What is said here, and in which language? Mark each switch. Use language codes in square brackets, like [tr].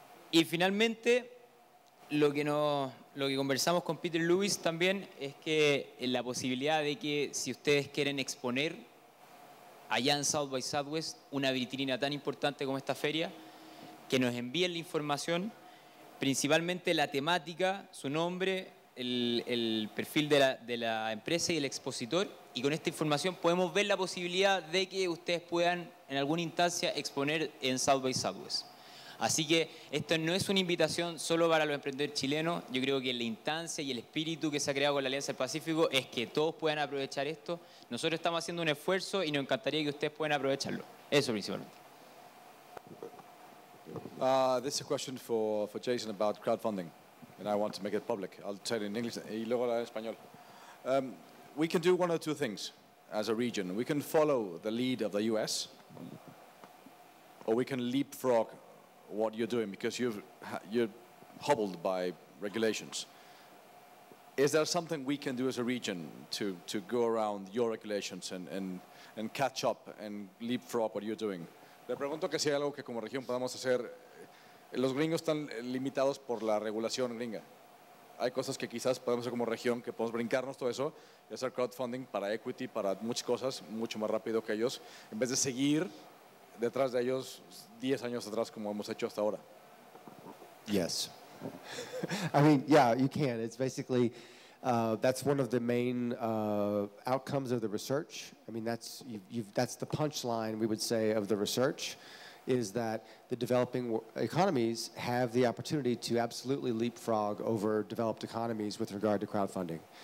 [es] Y finalmente, lo que conversamos con Peter Lewis también es que la posibilidad de que si ustedes quieren exponer allá en South by Southwest una vitrina tan importante como esta feria, que nos envíen la información, principalmente la temática, su nombre, el perfil de la empresa y el expositor, y con esta información podemos ver la posibilidad de que ustedes puedan en alguna instancia exponer en South by Southwest. Así que esto no es una invitación solo para los emprendedores chilenos. Yo creo que la instancia y el espíritu que se ha creado con la Alianza del Pacífico es que todos puedan aprovechar esto. Nosotros estamos haciendo un esfuerzo y nos encantaría que ustedes puedan aprovecharlo. Eso principalmente. [en] This is a question for Jason about crowdfunding, and I want to make it public. I'll tell it in English [es] y luego en español. [en] We can do one of two things as a region. We can follow the lead of the US, or we can leapfrog what you're doing, because you're hobbled by regulations. Is there something we can do as a region to go around your regulations and catch up and leapfrog what you're doing? [es] Le pregunto que si hay algo que como región podamos hacer. Los gringos están limitados por la regulación gringa. Hay cosas que quizás podemos hacer como región, que podemos brincarnos todo eso y hacer crowdfunding para equity, para muchas cosas, mucho más rápido que ellos, en vez de seguir detrás de ellos 10 años atrás como hemos hecho hasta ahora. [en] Yes. I mean, yeah, you can. It's basically, that's one of the main outcomes of the research. I mean, that's the punchline, we would say, of the research, is that the developing economies have the opportunity to absolutely leapfrog over developed economies with regard to crowdfunding.